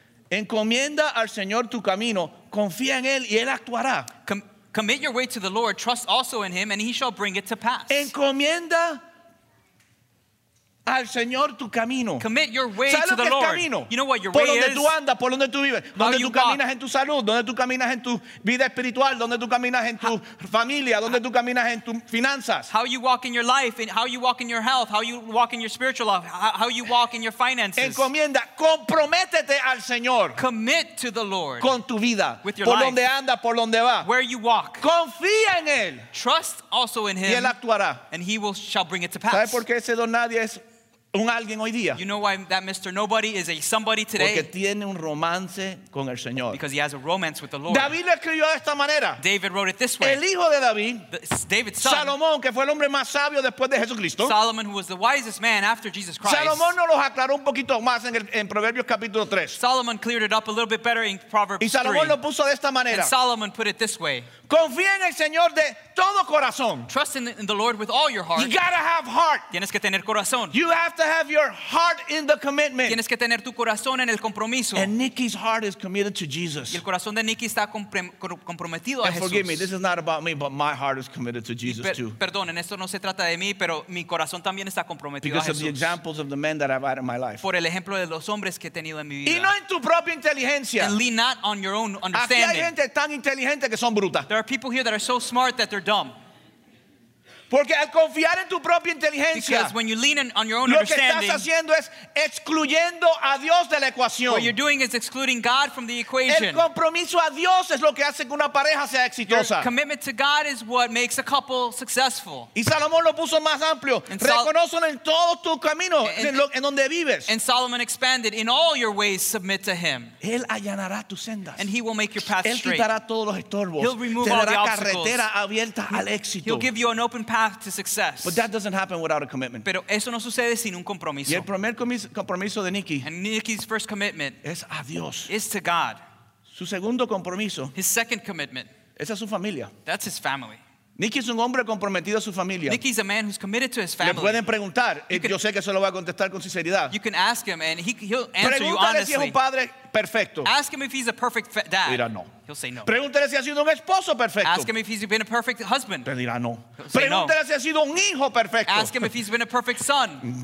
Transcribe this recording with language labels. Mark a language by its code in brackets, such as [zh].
[es] Encomienda al Señor tu camino, confía en él y él actuará. [en] Commit your way to the Lord, trust also in him and he shall bring it to pass. [es] Encomienda Al Señor tu camino. [en] Commit your way to the Lord. [es] Camino? [en] You know what your [es] por [en] way [es] donde Tú andas, por donde tú vives. Donde tú caminas en tu salud. Donde tú caminas en tu vida espiritual. Donde tú caminas en tu familia. Donde tú caminas en tus finanzas. [en] How you walk in your life and how you walk in your health. How you walk in your spiritual life. How you walk in your finances. [es] Encomienda, comprométete al Señor. [en] Commit to the Lord. [es] Con tu vida. [en] With your [es] por [en] life. [es] Donde andas, por donde va. [en] Where you walk. [es] Confía en él. [en] Trust also in him. [es] Y él actuará. [en] And he will shall bring it to pass. [es] ¿Sabes por qué ese don nadie es un alguien hoy día? [en] You know why that Mr. Nobody is a somebody today? [es] Porque tiene un romance con el Señor. [en] Because he has a romance with the Lord. [es] David lo escribió de esta manera. [en] David wrote it this way. [es] El hijo de David, [en] David's son, [es] Salomón, que fue el hombre más sabio después de Jesucristo. [en] Solomon, who was the wisest man after Jesus Christ. [es] Salomón nos lo aclaró un poquito más en Proverbios capítulo 3. [en] Solomon cleared it up a little bit better in Proverbs 3. [es] Y Salomón lo puso de esta manera. [en] And Solomon put it this way. [es] Confía en el Señor de todo corazón. [en] Trust in the Lord with all your heart. You gotta have heart. [es] Tienes que tener corazón. [en] You have to have your heart in the commitment. [es] Tienes que tener tu corazón en el compromiso. [en] And Nikki's heart is committed to Jesus. [es] Y el corazón de Nikki está comprometido a Jesús. [en] And forgive me, this is not about me, but my heart is committed to Jesus too. [es] Perdón, en esto no se trata de mí, pero mi corazón también está comprometido a Jesús. [en] Because of the examples of the men that I've had in my life. [es] Por el ejemplo de los hombres que he tenido en mi vida. Y no en tu propia inteligencia. [en] And lean not on your own understanding. [es] Aquí hay gente tan inteligente que son brutas. [en] There are people here that are so smart that they're dumb. [es] Porque al confiar en tu propia inteligencia, [en] because when you lean in on your own [es] lo [en] understanding, [es] que estás haciendo es excluyendo a Dios de la ecuación. [en] What you're doing is excluding God from the equation. [es] El compromiso a Dios es lo que hace que una pareja sea exitosa. [en] Your commitment to God is what makes a couple successful. [es] Y Salomón lo puso más amplio. Reconócelo en todos tus caminos, en donde vives. [en] And Solomon expanded, in all your ways submit to him. [es] Él allanará tus sendas. [en] And he will make your path [es] él [en] straight. [es] Él quitará todos los estorbos. [en] He'll remove [es] te [en] all [es] dará [en] the [es] carretera [en] obstacles. [es] Abierta al éxito. [en] He'll give you an open path to success. But that doesn't happen without a commitment. [es] Pero eso no sucede sin un compromiso. Y el primer compromiso de Nikki. [en] And Nikki's first commitment [es] es a Dios. [en] Is to God. [es] Su segundo compromiso. [en] His second commitment. [es] Es a su familia. [en] That's his family. [es] Nikki es un hombre comprometido a su familia. [en] Nikki's a man who's committed to his family. [es] Le pueden preguntar, yo sé que se lo va a contestar con sinceridad. [en] You can ask him and he'll answer you honestly. [es] Pregúntale si es un padre perfecto. [en] Ask him if he's a perfect dad. [es] Dirá no. [en] He'll say no. [es] Pregúntale si ha sido un esposo perfecto. [en] Ask him if he's been a perfect husband. [es] Te dirá no. [en] He'll say [es] pregúntale [en] no. [es] Si ha sido un hijo perfecto. [en] Ask him if he's been a perfect son.